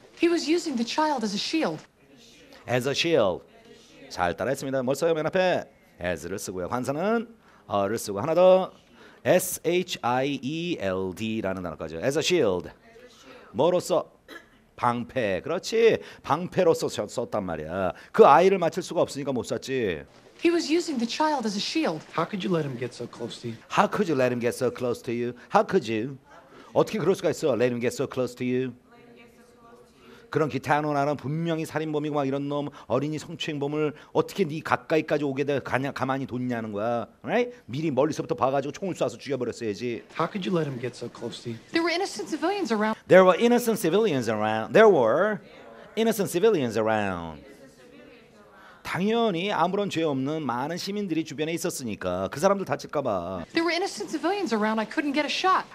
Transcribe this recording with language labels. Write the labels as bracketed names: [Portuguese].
[English] He was using the child as a shield. As a shield. [Korean] 잘 따라했습니다. 뭘 써요? 맨 앞에 as를 쓰고요. 관사는 a를 쓰고 하나 더 S-H-I-E-L-D라는 단어까지요. As a shield. 뭐로 써? 방패. 그렇지. 방패로 썼단 말이야. 그 아이를 맞출 수가 없으니까 못 썼지. [English] He was using the child as a shield. How could you let him get so close to you? How could you let him get so close to you? How could you? [Korean] 어떻게 그럴 수가 있어? [English] Let him get so close to you. [Korean] 그런 기타노나는 분명히 살인범이고 막 이런 놈 어린이 성추행범을 어떻게 네 가까이까지 오게 돼 가냐 가만히 뒀냐는 거야. [English] Right? [Korean] 미리 멀리서부터 봐가지고 총을 쏴서 죽여버렸어야지. [English] How could you let him get so close to you? There were innocent civilians around. There were innocent civilians around. There were innocent civilians around. [Korean] 당연히 아무런 죄 없는 많은 시민들이 주변에 있었으니까 그 사람들 다칠까 봐. [English] There were innocent civilians around. I couldn't get a shot.